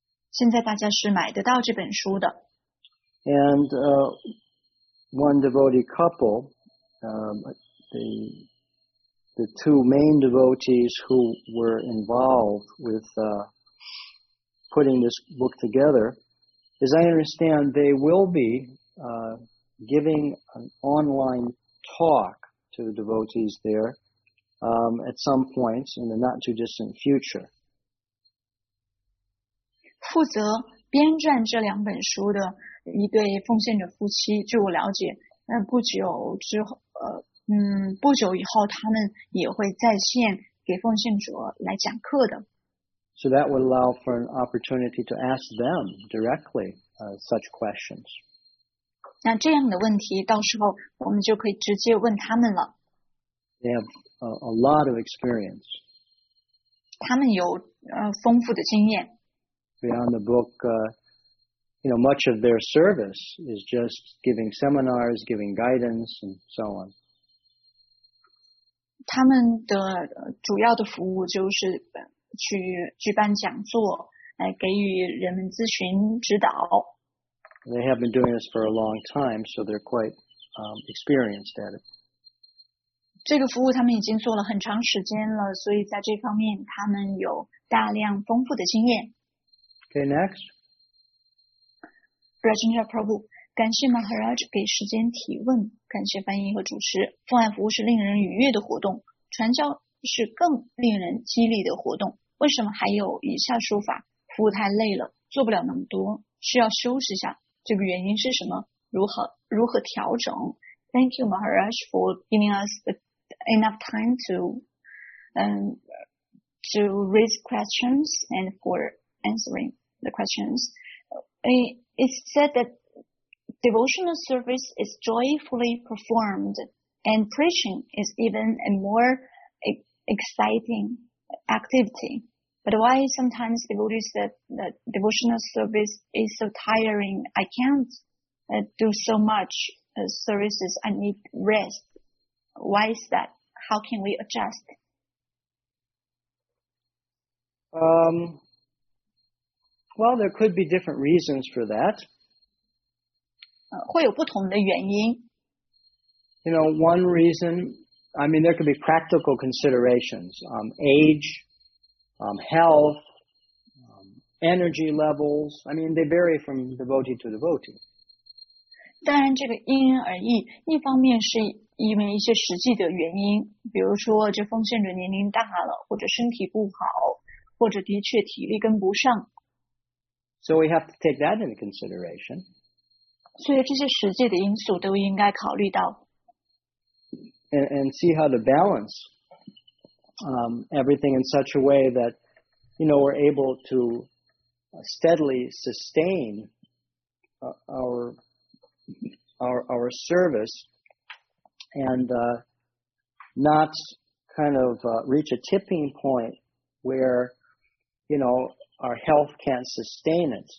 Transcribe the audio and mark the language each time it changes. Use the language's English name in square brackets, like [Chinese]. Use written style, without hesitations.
[Chinese] 现在大家是买得到这本书的。 [English] And one devotee couple, the two main devotees who were involved with putting this book together, as I understand, they will be giving an online talk to the devotees there at some point in the not too distant future. [Chinese] 负责编撰这两本书的一对奉献者夫妻，据我了解，不久之后不久以后他们也会在线给奉献者来讲课的。 [English] So that would allow for an opportunity to ask them directly such questions. [Chinese] 那这样的问题到时候我们就可以直接问他们了。 [English] They have a lot of experience. [Chinese] 他们有丰富的经验。 [English] Beyond the book, you know, much of their service is just giving seminars, giving guidance, and so on. [Chinese] 他们的主要的服务就是去举办讲座，来给予人们咨询指导。 [English] They have been doing this for a long time, so they're quite experienced at it. [Chinese] 这个服务他们已经做了很长时间了，所以在这方面他们有大量丰富的经验。 [English] Okay, next. [Chinese] Rajendra Prabhu, 感谢 Maharaj 给时间提问，感谢翻译和主持。奉爱服务是令人愉悦的活动，传教是更令人激励的活动。为什么还有以下说法？服务太累了，做不了那么多，需要休息下。这个原因是什么？如何调整？ [English] Thank you Maharaj for giving us enough time to raise questions and for answering the questions. It's said that devotional service is joyfully performed and preaching is even a more exciting activity. But why sometimes devotees said that devotional service is so tiring, I can't do so much services, I need rest. Why is that? How can we adjust? Well, there could be different reasons for that. [Chinese] 会有不同的原因。 [English] You know, one reason, I mean, there could be practical considerations, age, health, energy levels. I mean, they vary from devotee to devotee. [Chinese] 当然这个因人而异，一方面是因为一些实际的原因，比如说这奉献者年龄大了，或者身体不好，或者的确体力跟不上。 [English] So we have to take that into consideration. [Chinese] 所以这些实际的因素都应该考虑到。 [English] And see how to balance everything in such a way that, you know, we're able to steadily sustain our service and not kind of reach a tipping point where, you know, our health can't sustain it.